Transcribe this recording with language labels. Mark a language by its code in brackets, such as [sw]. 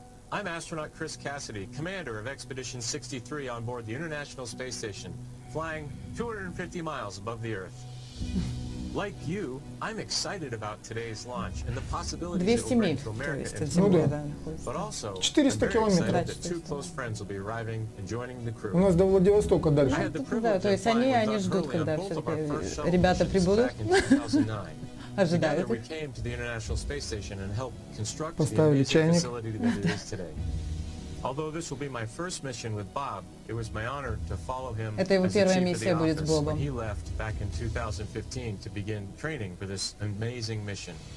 [en] I'm astronaut Chris Cassidy, commander of Expedition 63 on board the International Space Station, flying 250 miles above the Earth. Like you, I'm excited about today's launch and the possibilities it will bring to America and [ru] Земля, да, [en] but also, I'm very excited that two close friends will be arriving and joining the crew. [ru] У нас до Владивостока дальше. Да, то есть они ждут, когда ребята прибудут. [en] Together we came to the International Space Station and helped construct the amazing facility that it is today. Although this will be my first mission with Bob, it was my honor to follow him as the chief of the office when he left back in 2015 to begin training for this amazing mission.